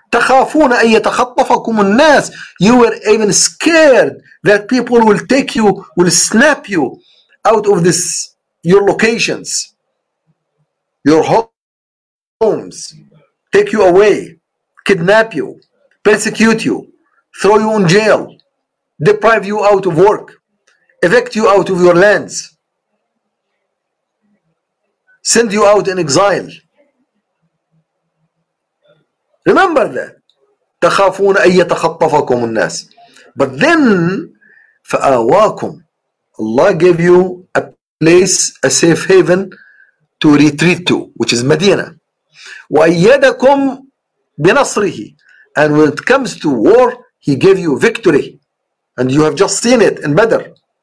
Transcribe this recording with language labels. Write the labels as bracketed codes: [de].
[ar] تخافون أن يتخطفكم الناس. [en] You were even scared that people will take you, will snap you out of this, your locations, your homes, take you away, kidnap you, persecute you, throw you in jail, deprive you out of work, evict you out of your lands, send you out in exile. Remember that. [ar] تخافون أن يتخطفكم الناس. [en] But then, فآواكم. Allah gave you a place, a safe haven to retreat to, which is Medina. [ar] وأيدكم بنصره. [en] And when it comes to war, he gave you victory. And you have just seen it in Badr.